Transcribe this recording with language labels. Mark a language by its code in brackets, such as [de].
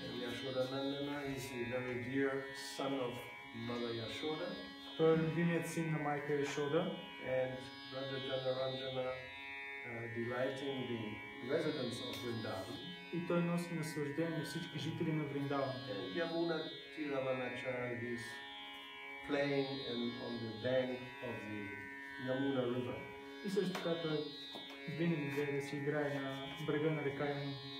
[en] Yashoda Nandana is a very dear son of Mother Yashoda. [bg] Той е любимият син на майка Yashoda. [en] And Raja Janaranjana delighting the residents of Vrindavan. [bg] И той носи наслаждение на всички жители на Вриндаван. [en] Yamuna Tiravanachari is playing on the bank of the Yamuna River. [bg] И също така той винаги гледа да си играе на брега на река Ямуна.